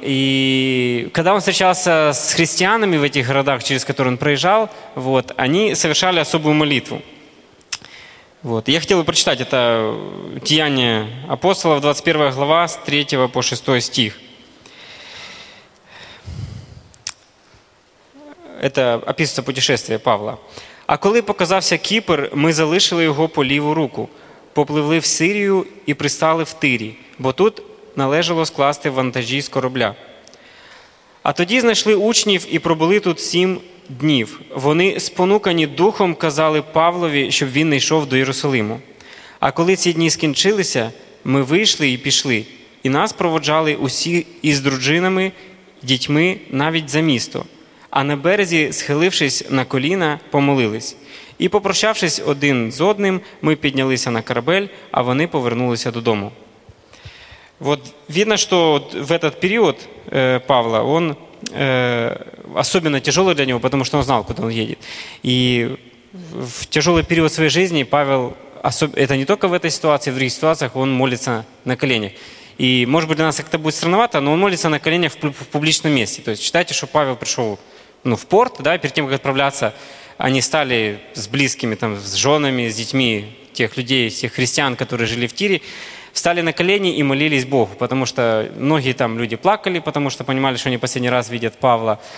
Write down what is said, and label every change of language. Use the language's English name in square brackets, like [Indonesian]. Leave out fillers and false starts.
[Russian] И когда он встречался с христианами в этих городах, через которые он проезжал, они совершали особую молитву. Я хотел бы прочитать это Деяния апостолов, 21 глава, с 3 по 6 стих. Это описывается путешествие Павла. [Ukrainian] «А коли показався Кіпр, ми залишили його по ліву руку, попливли в Сирію і пристали в Тирі, бо тут належало скласти вантажі з корабля. А тоді знайшли учнів і пробули тут 7 днів. Вони, спонукані духом, казали Павлові, щоб він не йшов до Єрусалиму. А коли ці дні скінчилися, ми вийшли і пішли, і нас проводжали усі із дружинами, дітьми, навіть за місто. А на березі, схилившись на коліна, помолились. І попрощавшись один з одним, ми піднялися на корабель, а вони повернулися додому». Видно, що в цей період Павла, він особливо тяжелий для нього, тому що він знав, куди він їде. І в тяжелий період своєї житті Павел, це не тільки в цій ситуації, в інших ситуаціях, він молиться на коленях. І, може бути, для нас це буде странновато, але він молиться на коленях в публічному місці. Тобто, вважайте, що Павел прийшов в порт, [Russian] да, перед тем, как отправляться, они стали с близкими, там, с женами, с детьми тех людей, тех христиан, которые жили в Тире, встали на колени и молились Богу, потому что многие там люди плакали, потому что понимали, что они последний раз видят Павла.